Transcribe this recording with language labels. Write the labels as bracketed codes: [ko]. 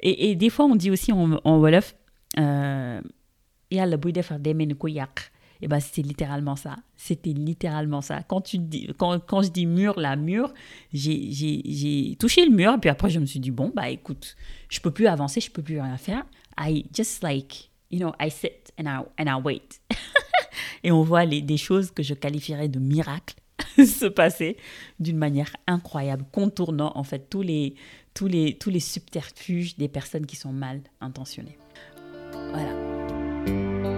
[fr] Et des fois, on dit aussi en Wolof, « [wo] yalla bouy defar demen kouyak ». [fr] Et bien, c'était littéralement ça. Quand je dis mur, là, mur, j'ai touché le mur. Et puis après, je me suis dit, bon, bah écoute, je ne peux plus avancer, je ne peux plus rien faire. [en] I just like, you know, I sit and I wait. [fr] Et on voit des choses que je qualifierais de miracles se passer d'une manière incroyable, contournant en fait tous les subterfuges des personnes qui sont mal intentionnées. Voilà.